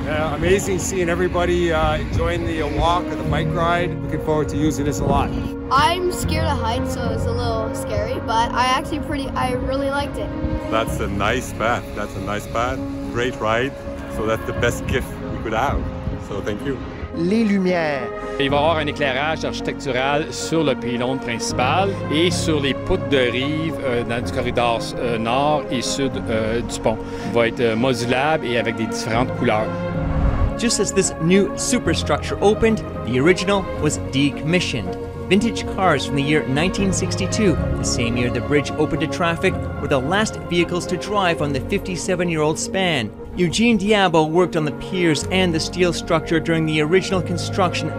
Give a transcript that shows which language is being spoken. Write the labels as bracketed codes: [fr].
[en] Amazing seeing everybody enjoying the walk or the bike ride. Looking forward to using this a lot. I'm scared of heights, so it's a little scary, but I really liked it. That's a nice path. That's a nice path. Great ride. So that's the best gift we could have. So thank you. [fr] Les lumières. Il va y avoir un éclairage architectural sur le pylône principal et sur les poutres de rive du corridor nord et sud du pont. Il va être modulable et avec des différentes couleurs. [en] Just as this new superstructure opened, the original was decommissioned. Vintage cars from the year 1962, the same year the bridge opened to traffic, were the last vehicles to drive on the 57-year-old span. Eugene Diabo worked on the piers and the steel structure during the original construction.